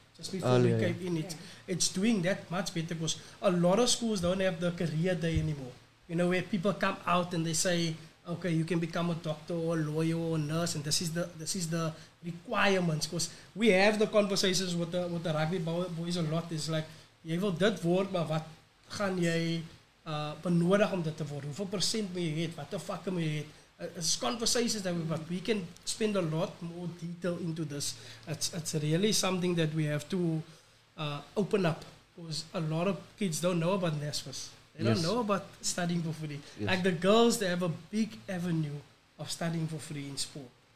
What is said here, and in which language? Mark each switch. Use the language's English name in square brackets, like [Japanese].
[English] Just before we came in, it's doing that much better because a lot of schools don't have the career day anymore. You know, where people come out and they say, okay, you can become a doctor or a lawyer or a nurse, and this is the requirements. Because we have the conversations with the rugby boys a lot. It's like, [Afrikaans] jy wil dit word, maar wat gaan jy benodig om dit te word? Hoeveel percent moet jy het? Wat the fuck moet jy het? [English] It's conversations that we can spend a lot more detail into this. It's really something that we have to open up. Because a lot of kids don't know about NASFAS. They don't know about studying for free. Yes. Like the girls, they have a big avenue of studying for free in sport.